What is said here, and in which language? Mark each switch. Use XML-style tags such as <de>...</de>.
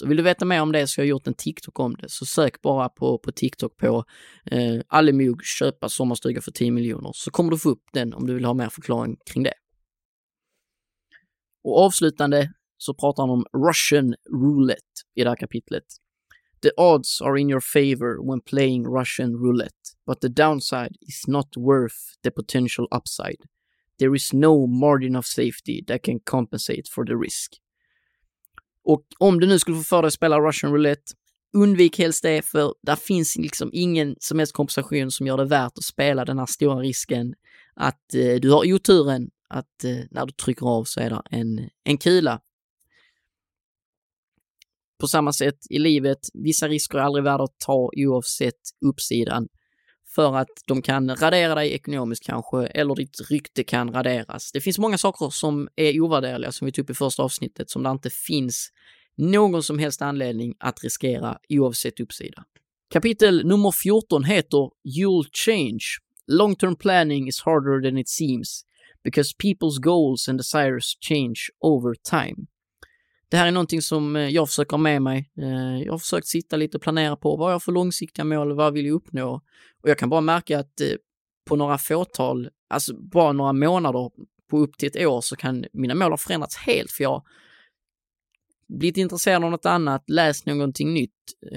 <sv>Och vill du veta mer om det så har jag gjort en TikTok om det, så sök bara på TikTok på Alimog köpa sommarstuga för 10 miljoner, så kommer du få upp den om du vill ha mer förklaring kring det. Och avslutande så pratar han om Russian roulette i det här kapitlet.</sv> <en>The odds are in your favor when playing Russian roulette, but the downside is not worth the potential upside. There is no margin of safety that can compensate for the risk.</en> <sv>Och om du nu skulle få för dig att spela Russian roulette, undvik helst det, för där finns liksom ingen som helst kompensation som gör det värt att spela den här stora risken att du har oturen att när du trycker av så är det en kula. På samma sätt i livet, vissa risker är aldrig värda att ta oavsett uppsidan, för att de kan radera dig ekonomiskt kanske, eller ditt rykte kan raderas. Det finns många saker som är ovärderliga, som vi tog upp i första avsnittet, som det inte finns någon som helst anledning att riskera oavsett uppsida. Kapitel nummer 14 heter You'll Change.</sv> <en>Long-term planning is harder than it seems because people's goals and desires change over time.</en> <sv>Det här är någonting som jag försöker ha med mig. Jag har försökt sitta lite och planera på vad jag har för långsiktiga mål, vad vill jag uppnå. Och jag kan bara märka att på några fåtal, alltså bara några månader på upp till ett år, så kan mina mål ha förändrats helt. För jag har blivit intresserad av något annat, läst någonting nytt.</sv>